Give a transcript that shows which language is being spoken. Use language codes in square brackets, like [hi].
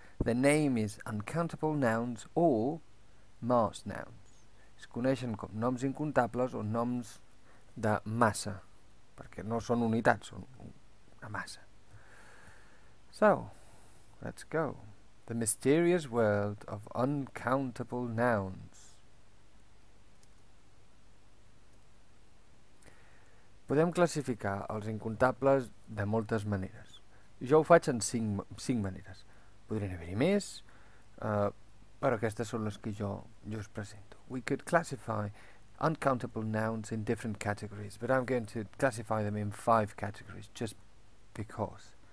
[en] The name is uncountable nouns or mass nouns. [ca] Es coneixen com noms incontables o noms de massa. Perquè no són unitats, són una massa. [en] So, let's go. The mysterious world of uncountable nouns. [ca] Podem classificar els incontables de moltes maneres. Jo ho faig en cinc maneres. Podrien haver-hi més, però aquestes són les que jo us presento. [en] We could classify uncountable nouns in different categories, but I'm going to classify them in five categories, just because.